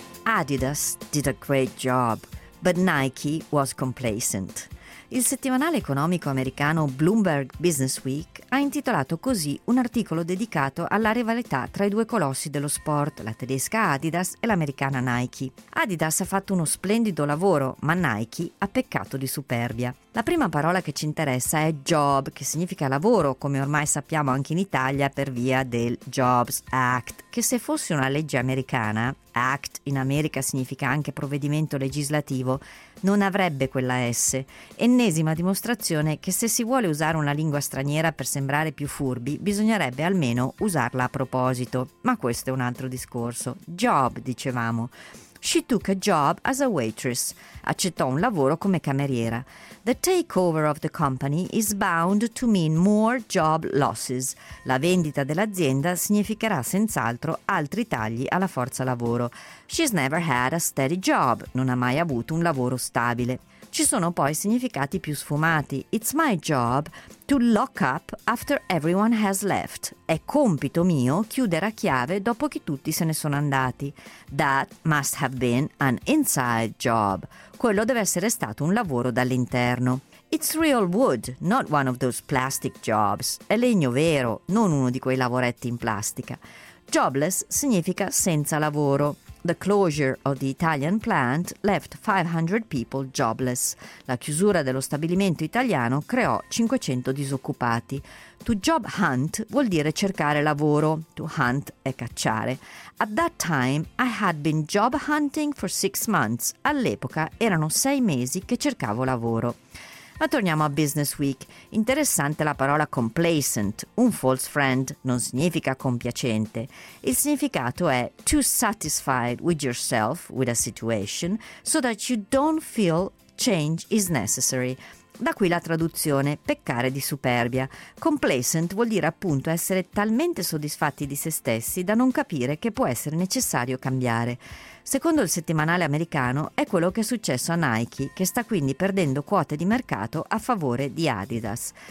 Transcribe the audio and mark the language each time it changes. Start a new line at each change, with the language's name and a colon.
English: Adidas did a great job, but Nike was complacent.
Italian: Il settimanale economico americano Bloomberg Business Week ha intitolato così un articolo dedicato alla rivalità tra i due colossi dello sport, la tedesca Adidas e l'americana Nike. Adidas ha fatto uno splendido lavoro, ma Nike ha peccato di superbia. La prima parola che ci interessa è job, che significa lavoro, come ormai sappiamo anche in Italia per via del Jobs Act, che se fosse una legge americana, Act in America significa anche provvedimento legislativo, non avrebbe quella S. Ennesima dimostrazione che se si vuole usare una lingua straniera per sembrare più furbi, bisognerebbe almeno usarla a proposito. Ma questo è un altro discorso. Job, dicevamo.
English: She took a job as a waitress.
Italian: Accettò un lavoro come cameriera.
English: The takeover of the company is bound to mean more job losses.
Italian: La vendita dell'azienda significherà senz'altro altri tagli alla forza lavoro.
English: She's never had a steady job.
Italian: Non ha mai avuto un lavoro stabile. Ci sono poi significati più sfumati.
English: It's my job to lock up after everyone has left.
Italian: È compito mio chiudere a chiave dopo che tutti se ne sono andati.
English: That must have been an inside job.
Italian: Quello deve essere stato un lavoro dall'interno.
English: It's real wood, not one of those plastic jobs.
Italian: È legno vero, non uno di quei lavoretti in plastica. Jobless significa senza lavoro.
English: The closure of the Italian plant left 500 people jobless.
Italian: La chiusura dello stabilimento italiano creò 500 disoccupati.
English: To job hunt
Italian: vuol dire cercare lavoro.
English: To hunt
Italian: è cacciare.
English: At that time I had been job hunting for 6 months.
Italian: All'epoca erano 6 mesi che cercavo lavoro. Ma torniamo a Business Week. Interessante la parola complacent, un false friend, non significa compiacente. Il significato è
English: too satisfied with yourself, with a situation, so that you don't feel change is necessary.
Italian: Da qui la traduzione, peccare di superbia. Complacent vuol dire appunto essere talmente soddisfatti di se stessi da non capire che può essere necessario cambiare. Secondo il settimanale americano è quello che è successo a Nike, che sta quindi perdendo quote di mercato a favore di Adidas.